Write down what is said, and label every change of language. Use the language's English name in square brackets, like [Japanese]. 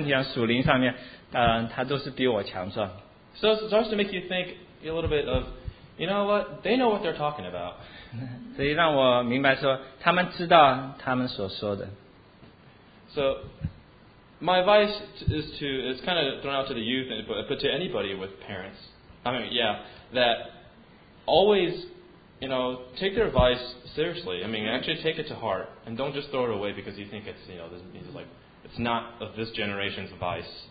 [Chinese] 这个实在是从一点一滴里，我认识到，不管他们身体上、属灵上面，他都是比我强壮。 [English] So it starts to make you think a little bit of, you know what, they know what they're talking about. [Chinese] 所以让我明白说，他们知道他们所说的。 [English] So my advice is kind of thrown out to the youth, but to anybody with parents, I mean, yeah, that always, you know, take their advice seriously. I mean, actually take it to heart and don't just throw it away because you think it's, you know, this means like it's not of this generation's advice.